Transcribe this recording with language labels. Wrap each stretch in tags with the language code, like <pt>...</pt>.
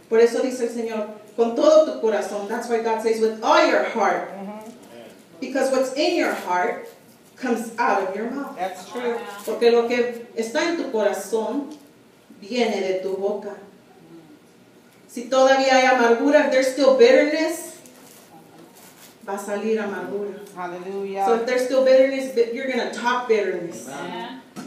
<es>Por eso dice el Señor, con todo tu corazón.</es> <en>That's why God says, with all your heart. Mm-hmm. Because what's in your heart comes out of your mouth. That's true. Yeah.</en> <es>Porque lo que está en tu corazón viene de tu boca. Si todavía hay amargura,</es> <en>if there's still bitterness,</en> <es>va a salir amargura.</es> <en>Hallelujah. So if there's still bitterness, you're going to talk bitterness. Yeah.</en>